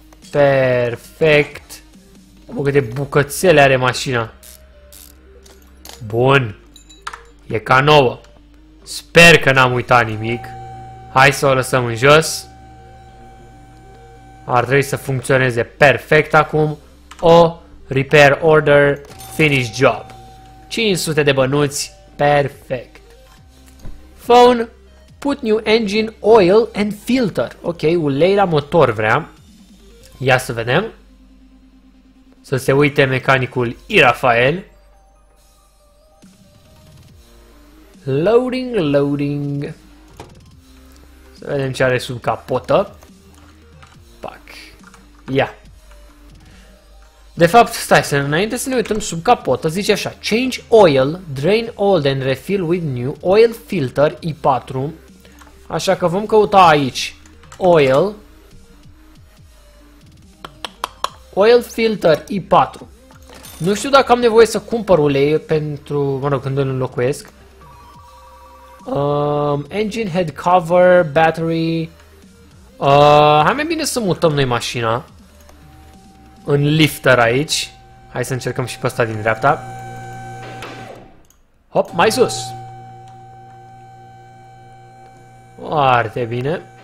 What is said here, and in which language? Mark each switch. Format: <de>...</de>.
<ro>Perfect. Mă, câte bucățele are mașina. Bun. E ca nouă. Sper că n-am uitat nimic. Hai să o lăsăm în jos. Ar trebui să funcționeze perfect acum. O,</ro> <en>repair order, finish job.</en> <ro>500 de bănuți. Perfect.</ro> <en>Phone, put new engine, oil and filter.</en> <ro>Ok, ulei la motor vrea. Ia să vedem. Să se uite mecanicul Irafael. Loading, loading. Să vedem ce are sub capotă. Pac. Ia. De fapt, stai, să înainte să ne uităm sub capotă, zice așa.</ro> <en>Change oil, drain old and refill with new oil filter I4.</en> <ro>Așa că vom căuta aici oil.</ro> <en>Oil filter I4.</en> <ro>Nu știu dacă am nevoie să cumpăr ulei pentru, mă rog, când îl înlocuiesc.</ro> <en>Engine head cover, battery.</en> <ro>Hai mai bine să mutăm noi mașina în lifter aici. Hai să încercăm și pe ăsta din dreapta. Hop, mai sus. Foarte bine.</ro>